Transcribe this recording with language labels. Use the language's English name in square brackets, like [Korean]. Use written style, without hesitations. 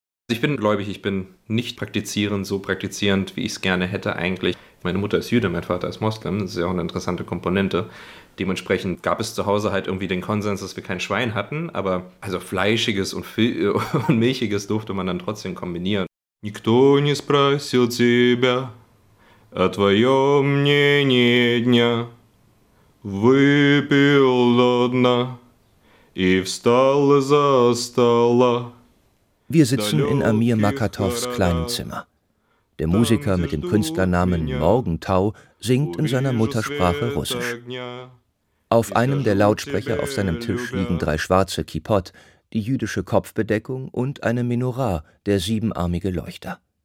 [German] Ich bin gläubig, ich bin nicht praktizierend, so praktizierend, wie ich es gerne hätte eigentlich. Meine Mutter ist Jüdin, mein Vater ist Moslem, das ist ja auch eine interessante Komponente. Dementsprechend gab es zu Hause halt irgendwie den Konsens, dass wir kein Schwein hatten, aber also Fleischiges und Milchiges durfte man dann trotzdem kombinieren. [Russian] Никто не спросил тебя. О твоем мнении дня выпил до дна и встал из-за стола. [German] Wir sitzen in Amir Makatows kleinem Zimmer. Der Musiker mit dem Künstlernamen Morgentau singt in seiner Muttersprache Russisch. Auf einem der Lautsprecher auf seinem Tisch liegen 3 schwarze Kippot, die jüdische Kopfbedeckung und eine Menorah, der 7-armige Leuchter.